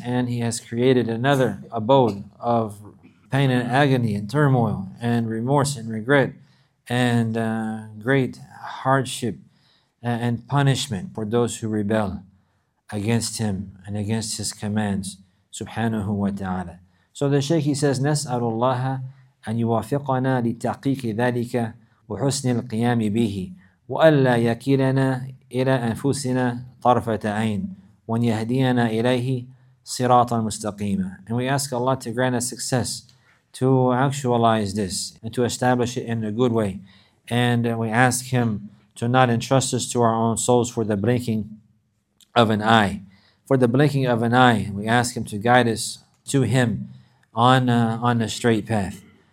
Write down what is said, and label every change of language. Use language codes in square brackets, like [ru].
[en] And He has created another abode of pain and agony and turmoil and remorse and regret and great hardship and punishment for those who rebel against Him and against His commands, subhanahu wa ta'ala. So the Shaykh, he says, [ar] نَسْأَلُ اللَّهَ أَنْ يُوَافِقَنَا لِتَحْقِيقِ ذَلِكَ وَحُسْنِ الْقِيَامِ بِهِ وَأَلَّا يَكِلَنَا إِلَىٰ أَنفُسِنَا طَرْفَةَ عَيْنٍ وَنْ يَهْدِيَنَا إِلَيْهِ صِرَاطًا مُسْتَقِيمًا. [en] And we ask Allah to grant us success to actualize this and to establish it in a good way. And we ask Him to not entrust us to our own souls for the blinking of an eye. For the blinking of an eye, we ask Him to guide us to Him on a straight path.